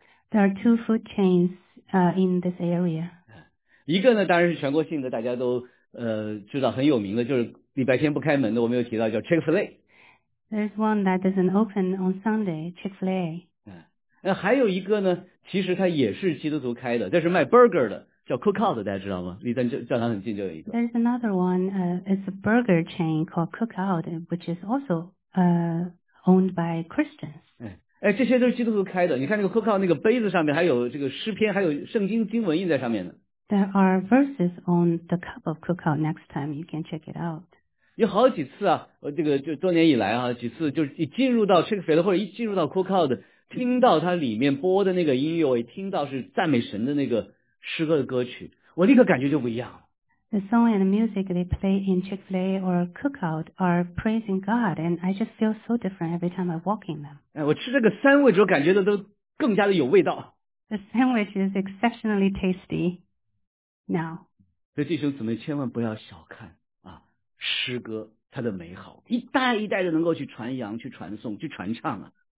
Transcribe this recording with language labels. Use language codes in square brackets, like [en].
[en] There are two food chains in this area. [zh] 一个呢当然是全国性的，大家都知道很有名的，就是礼拜天不开门的，我们有提到叫 Chick-fil-A。 [en] There's one that doesn't open on Sunday, Chick-fil-A. [zh] 还有一个呢，其实它也是基督徒开的，但是卖 burger 的，叫 Cookout， 大家知道吗？离咱教堂很近就有一个。 [en] There's another one, it's a burger chain called Cookout, which is also owned by Christians. [zh] 这些都是基督徒开的。你看那个 Cookout 那个杯子上面还有这个诗篇，还有圣经经文印在上面呢。 [en] There are verses on the cup of Cookout. Next time you can check it out. [zh] 有好几次啊，这个就多年以来啊，几次就是一进入到 Chick-fil-A 的，或者一进入到 Cookout 的，听到它里面播的那个音乐，我一听到是赞美神的那个诗歌的歌曲，我立刻感觉就不一样。 [en] The song and the music they play in Chick-fil-A or Cookout are praising God, and I just feel so different every time I walk in them. [zh] 我吃这个 sandwich 我感觉的都更加的有味道。 [en] The sandwich is exceptionally tasty now. [zh] 所以弟兄姊妹千万不要小看啊诗歌它的美好，一代一代的能够去传扬去传颂去传唱啊。